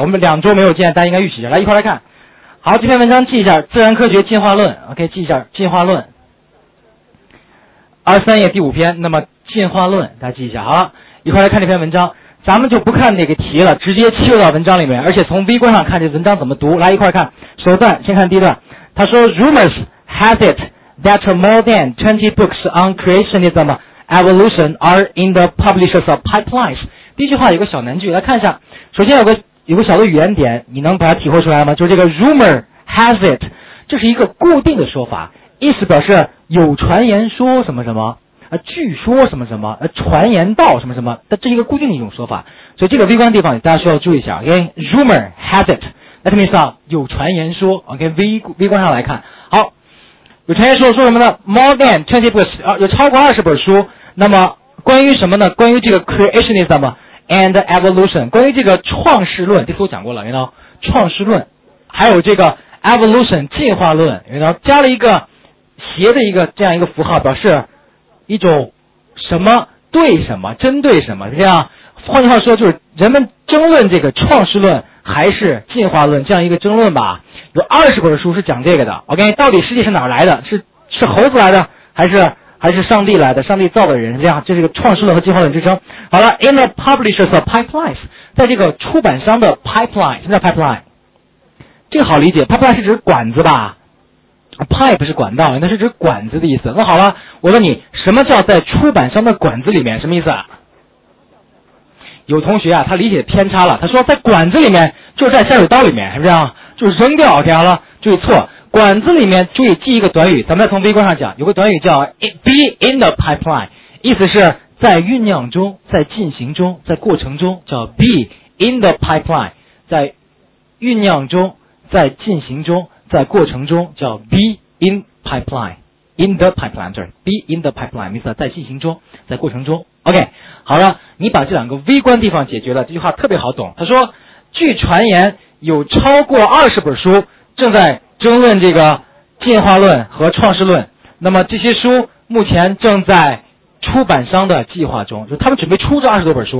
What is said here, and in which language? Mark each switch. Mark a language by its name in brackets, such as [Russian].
[Chinese] 我们两周没有见，大家应该预习一下。来，一块来看。好，这篇文章记一下，《自然科学进化论》。 OK， 记一下《进化论》23页第五篇。那么《进化论》，大家记一下。好了，一块来看这篇文章。咱们就不看那个题了，直接切入到文章里面，而且从微观上看这文章怎么读。来，一块看首段，先看第一段。他说 [English] ：“Rumors have it that more than 20 books on creationism evolution are in the publisher's pipelines。” [Chinese] 第一句话有个小难句，来看一下。首先有个小的语言点，你能把它体会出来吗？就是这个 [English] rumor has it， [Chinese] 这是一个固定的说法，意思表示有传言说什么什么。据说什么什么传言道什么什么，但这是一个固定的一种说法，所以这个微观的地方大家需要注意一下。 [English] OK， rumor has it， that means [Chinese] 有传言说。 OK， 微观上来看，好，有传言说，说什么呢？ [English] more than 20 books、 [Chinese] 有超过20本书。那么关于什么呢？关于这个 [English] creationism and evolution， [Chinese] 关于这个创世论，这次我讲过了， [English] you know， [Chinese] 创世论，还有这个 evolution 进化论， you know， 加了一个斜的一个这样一个符号，表示一种什么对什么，针对什么，是这样。换句话说，就是人们争论这个创世论还是进化论这样一个争论吧。有二十本书是讲这个的。OK， 到底世界是哪来的？是猴子来的，还是上帝来的？上帝造的人，是这样。这是一个创世论和进化论之争。好了 ， [English] in the publishers of pipelines， [Chinese] 在这个出版商的 pipeline， 什么叫 pipeline？这个好理解 ，pipeline 是指管子吧？Pipe 是管道，那是指管子的意思。那好了，我问你，什么叫在出版商的管子里面？什么意思啊？有同学啊，他理解偏差了。他说在管子里面，就是在下水道里面，是不是啊？就扔掉，听好了，注意错。管子里面，注意记一个短语。咱们再从微观上讲，有个短语叫 [English] be in the pipeline， [Chinese] 意思是在酝酿中，在进行中，在过程中，叫 be in the pipeline， 在酝酿中，在进行中。在过程中叫 [English] be in pipeline， in the pipeline， [Chinese] sorry， be in the pipeline， 意思在进行中，在过程中。 OK， 好了，你把这两个微观地方解决了，这句话特别好懂。他说据传言有超过20本书正在争论这个进化论和创世论，那么这些书目前正在出版商的计划中，就他们准备出这20多本书。